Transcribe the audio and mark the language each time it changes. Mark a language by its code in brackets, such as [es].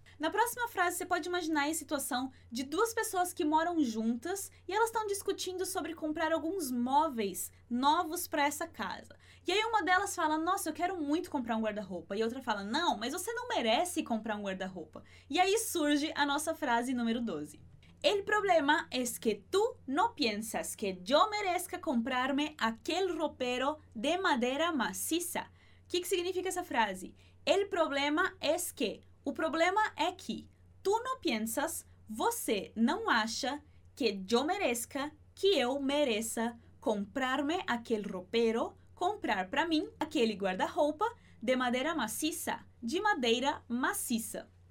[pt] Na próxima frase, você pode imaginar a situação de duas pessoas que moram juntas e elas estão discutindo sobre comprar alguns móveis novos para essa casa. E aí uma delas fala, nossa, eu quero muito comprar um guarda-roupa. E a outra fala, não, mas você não merece comprar um guarda-roupa. E aí surge a nossa frase número 12. [es] El problema es que tú no piensas que yo merezca comprarme aquel ropero de madera maciza. [pt] Que significa essa frase? [es] El problema es que... [pt] O problema é que tu não pensas, você não acha que [es] yo merezca, [pt] que eu mereça [es] comprarme aquel ropero, [pt] comprar para mim aquele guarda-roupa de madeira maciça, de madeira maciça.